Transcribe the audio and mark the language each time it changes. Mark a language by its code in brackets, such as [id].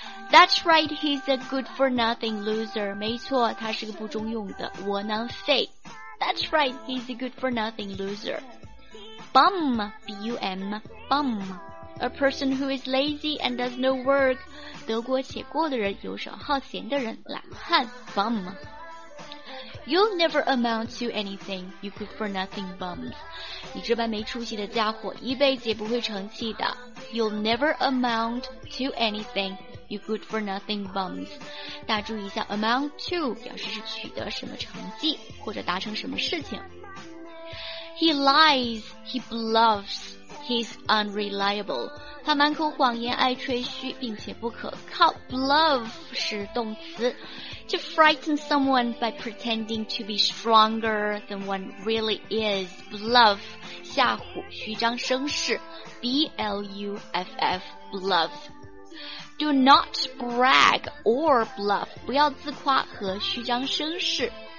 [en] That's right, he's a good for nothing loser， [zh] 没错，他是个不中用的窝囊废。 [en] That's right, he's a good for nothing loserBum, B-U-M, bum. A person who is lazy and does no work. [zh] 得过且过的人，游手好闲的人，懒汉 ,bum. [en] You'll never amount to anything, you good for nothing bum. [zh] 你这般没出息的家伙，一辈子也不会成器的。 [en] You'll never amount to anything, you good for nothing bum. [zh] 大注意一下 ,amount to 表示是取得什么成绩，或者达成什么事情。 [en] He lies, he bluffs, he's unreliable. [zh] 他满口谎言，爱吹嘘，并且不可靠。 [en] Bluff [zh] 是动词， [en] to frighten someone by pretending to be stronger than one really is. [zh] Bluff, 吓唬，虚张声势。B-L-U-F-F, bluff. [en] Do not brag or bluff. [zh] 不要自夸和虚张声势。